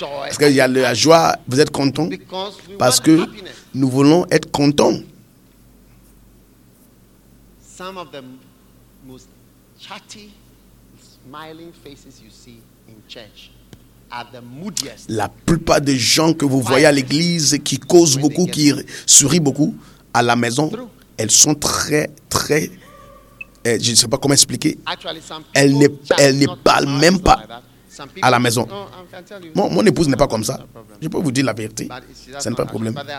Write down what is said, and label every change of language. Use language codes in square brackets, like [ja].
[fr] Est-ce qu'il y a la joie? Vous êtes content? Parce que nous voulons être contents. [en] Some of the most chatty, smiling faces you see in church are the moodiest. [fr] La plupart des gens que vous voyez à l'église qui causent beaucoup, qui sourient beaucoup à la maison, elles sont très, très, je ne sais pas comment expliquer, elles ne parlent même pas à la maison. Mon épouse n'est pas comme ça. Je peux vous dire la vérité. Ce n'est pas un problème.